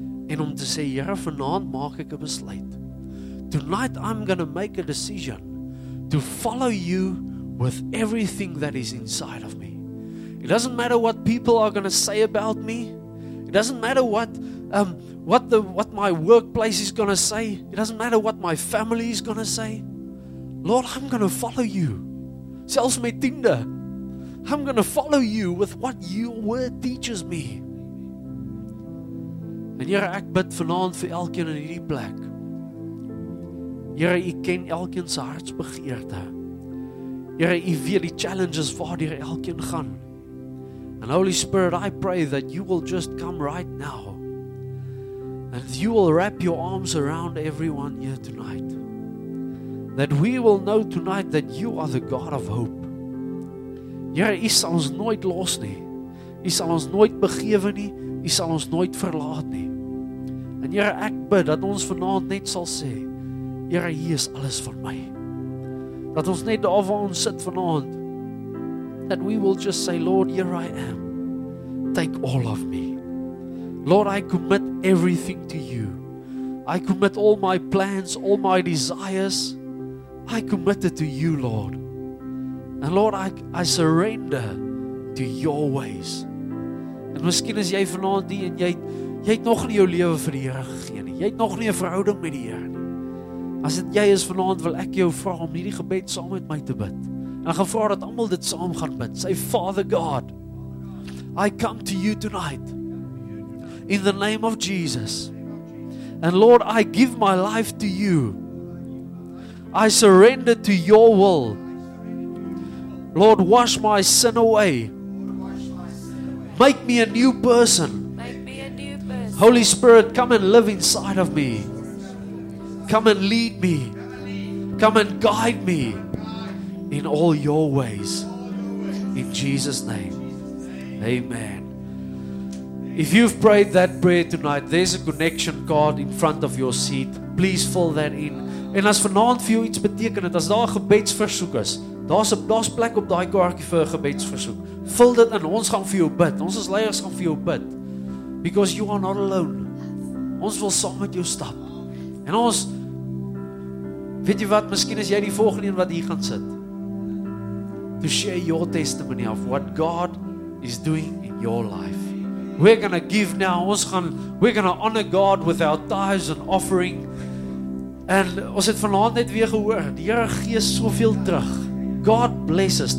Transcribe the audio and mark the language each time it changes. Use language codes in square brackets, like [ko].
[af] En om te sê, Here, vanaand maak ek 'n besluit. [en] Tonight I'm going to make a decision to follow you with everything that is inside of me. It doesn't matter what people are going to say about me. It doesn't matter what my workplace is going to say. It doesn't matter what my family is going to say. Lord, I'm going to follow you. [af] Selfs my tiende. [en] I'm going to follow you with what your word teaches me. [af] En Here, ek bid vanaand vir elkeen in hierdie plek. Here, U ken elkeen se hartsbegeerte. Here, U weet die challenges waardeur elkeen gaan. [en] And Holy Spirit, I pray that you will just come right now. And you will wrap your arms around everyone here tonight. That we will know tonight that you are the God of hope. [af] Here, U sal ons nooit los nie. U sal ons nooit begewe nie. U sal ons nooit verlaat nie. En Here, ek bid dat ons vanaand net sal sê, Here, hier is alles van my. Dat ons net daar waar ons sit vanaand, [en] that we will just say, Lord, here I am. Take all of me. Lord, I commit everything to you. I commit all my plans, all my desires. I commit it to you, Lord. And Lord, I surrender to your ways. [af] En miskien is jy vanaand die en jy het nog nie jou lewe vir die Here gegee nie. Jy het nog nie 'n verhouding met die Here nie. As dit jy is vanaand, wil ek jou vra om hierdie gebed saam met my te bid. En ek vra dat almal dit saam gaan bid. [en] Say, Father God, I come to you tonight. In the name of Jesus. And Lord, I give my life to you. I surrender to your will. Lord, wash my sin away. Make me a new person. Holy Spirit, come and live inside of me. Come and lead me. Come and guide me in all your ways. In Jesus' name. Amen. If you've prayed that prayer tonight, there's a connection card in front of your seat. Please fill that in. [af] En as vanaand vir jou iets beteken het, as daar gebedsversoek is, daar's plek op daai kaartjie vir 'n gebedsversoek. Vul dit in, ons gaan vir jou bid. Ons as leiers gaan vir jou bid. [en] Because you are not alone. [af] Ons wil saam met jou stap. En ons, weet jy wat, miskien is jy die volgende een wat hier gaan sit. [en] To share your testimony of what God is doing in your life. We're going to give now. We're going to honor God with our tithes and offering. [af] En ons het vanaand net weer gehoor, die Here gee soveel terug. [en] God bless us.